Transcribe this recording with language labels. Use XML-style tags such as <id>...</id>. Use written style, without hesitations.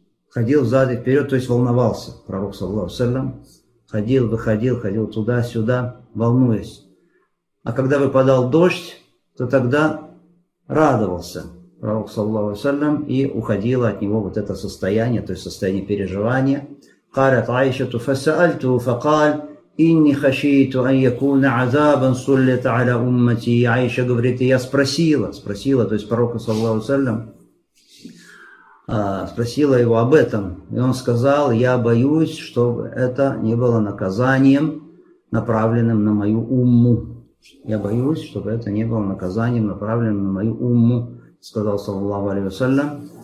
<ru>Ходил взад и вперед, то есть волновался. Пророк, саллаллаху алейхи ва саллям, ходил, выходил, ходил туда-сюда, волнуясь. А когда выпадал дождь, то тогда радовался пророк, саллаллаху алейхи ва саллям, и уходило от него вот это состояние, то есть состояние переживания.</ru> <ar>قالت عائشة فسألته فقال إني خشيت أن يكون عذابا سلط على أمتي.</ar> <ru>Аиша говорит, я спросила, то есть пророка, саллаллаху алейхи ва саллям, спросила его об этом. И он сказал, я боюсь, чтобы это не было наказанием, направленным на мою умму. Я боюсь, чтобы это не было наказанием, направленным на мою умму, сказал саллаллаху алейхи ва саллям.</ru>